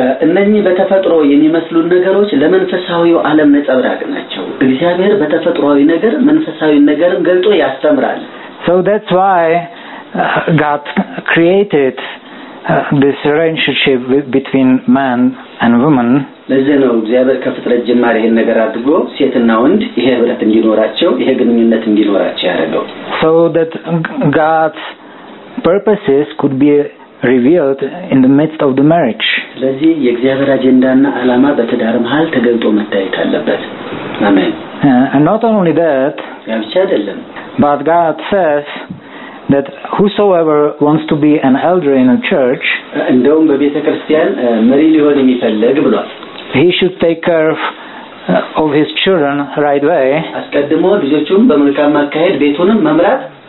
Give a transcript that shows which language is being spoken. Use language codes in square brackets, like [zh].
[am] እነኚህ በተፈጥሮ የሚመስሉን ነገሮች ለመንፈሳዊው ዓለም ነጸብራቅ ናቸው እግዚአብሔር በተፈጥሮዊ ነገር መንፈሳዊ ነገርን ገልጦ ያስተምራል [en] so that's why God created this relationship between man and woman [am] ለዚህ ነው እግዚአብሔር ከፍጥረት ጀምሮ ይሄን ነገር አድርጎ ሴትና ወንድ ይሄ ህብረት እንዲኖራቸው ይሄ ግንኙነት እንዲኖራቸው ያደረገው [en] so that God purposes could be revealed in the midst of the marriage. [am] ስለዚህ የእግዚአብሔር አጀንዳና ዓላማ በተዳርም ሐል ተገልጦ መታየት አለበት. አሜን. [en] And not only that, [am] ያብቻ አይደለም. [en] But God says that whosoever wants to be an elder in a church, [am] እንደውም በቤተክርስቲያን መሪ ሊሆን የሚፈልግ ብሏል. [en] He should take care of his children right away. [am] አስቀድሞ ልጆቹን በመልካም ማካሄድ ቤቱንም መምራት